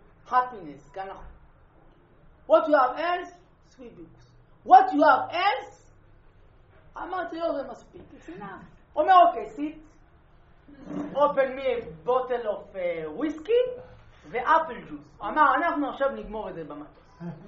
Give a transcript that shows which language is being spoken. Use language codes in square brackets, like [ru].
[he] Happiness, כאן אחר. [en] What you have else? Sweet books. What you have else? [he] אמרתי לו, זה מספיק. אומר, אוקיי, sit. [en] Open me a bottle of whiskey ואפל ג'וס. [he] אמר, אנחנו עכשיו נגמור את זה במטוס.